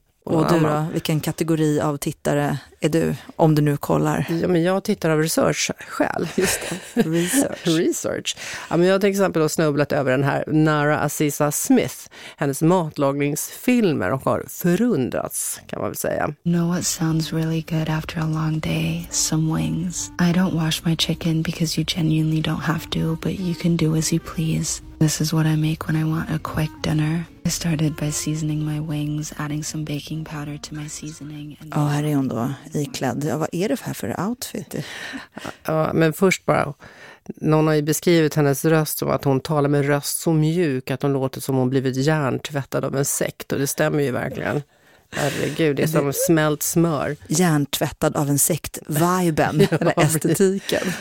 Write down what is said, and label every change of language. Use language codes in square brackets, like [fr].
[sv] Och du då, vilken kategori av tittare är du, om du nu kollar? Ja, men jag tittar av research själv. Just det. Research. Ja, men jag har till exempel snubblat över den här Nara Aziza Smith, hennes matlagningsfilmer, och har förundrats, kan man väl säga. [en] Know what sounds really good after a long day? Some wings. I don't wash my chicken because you genuinely don't have to, but you can do as you please. This is what I make when I want a quick dinner. I started by seasoning my wings, adding some baking powder to my seasoning. [sv] Ja, här är hon då iklädd. Ja, vad är det här för outfit? Ja, men först bara, någon har ju beskrivit hennes röst som att hon talar med röst så mjuk att hon låter som hon blivit hjärntvättad av en sekt. Och det stämmer ju verkligen. Herregud, det är som smält smör. Hjärntvättad av en sekt, viben, eller estetiken.